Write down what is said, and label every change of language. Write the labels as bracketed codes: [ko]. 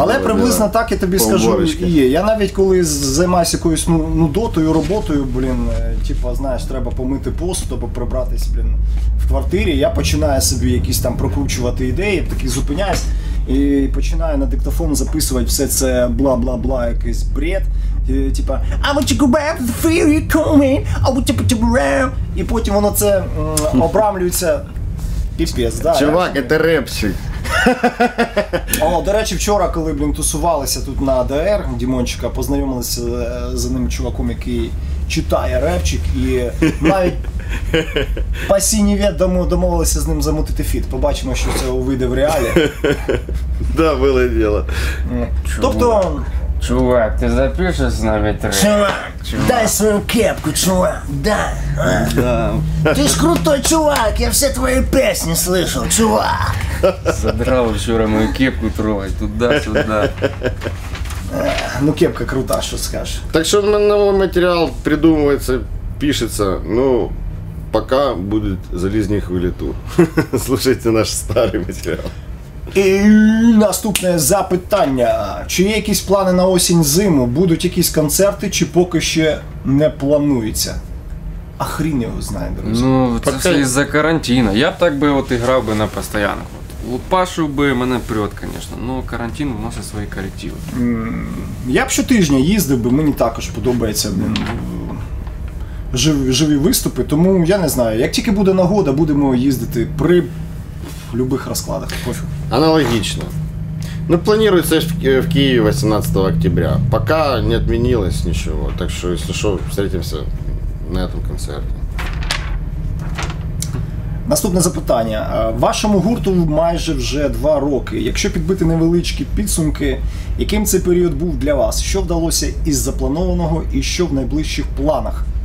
[uk] Але приблизно так я тобі скажу, є. Я навіть коли займаюся якоюсь нудотою роботою, блін, типа, знаєш, треба помити посуд, або прибратись, блін, в квартирі, я починаю собі якісь там прокручувати ідеї, так і зупиняюсь. І починаю на диктофон записувати все це бла-бла-бла, якийсь бред. [en] Типа, I want you to go back to the fear you call me, I want you to go back. [uk] І потім воно це обрамлюється. Піпець, да. Чувак, це репчик. О, до речі, вчора, коли, блін, тусувалися тут на АДР Дімончика, познайомилися з ним чуваком, який читає репчик, і навіть по сіні відому домовилися з ним замутити фіт. Побачимо, що це вийде в реалі. Да, було діло. Тобто... Чувак, ти запишеш з нами трек? Чувак, дай свою кепку, чувак, дай. Да. Ти ж крутой чувак, я все твої пісні слышал, чувак. Задрав вчора мою кепку трогать, туди-сюди. Ну кепка крута, що скажеш. Так що новий матеріал придумується, пишеться, ну, поки буде залізні хвилі тур. Слушайте наш старий матеріал. І наступне запитання. Чи є якісь плани на осінь-зиму? Будуть якісь концерти, чи поки ще не планується? А хрін його знає, друзі. Ну, це все із-за карантину. Я так би от грав би на постоянку. От, лупашу би, мене прет, звісно. Ну, карантин вносить свої корективи. Я б щотижня їздив би, мені також подобається, блін, живі виступи. Тому я не знаю, як тільки буде нагода, будемо їздити при... [ru] В любых раскладах. Пофиг. Аналогично. Ну, планируется в Киеве 18 октября. Пока не отменилось ничего. Так что, если что, встретимся на этом концерте. [uk] Наступне запитання. Вашому гурту майже вже 2 роки. Якщо підбити невеличкі підсумки, яким цей період був для вас? Що вдалося із запланованого і що в найближчих планах?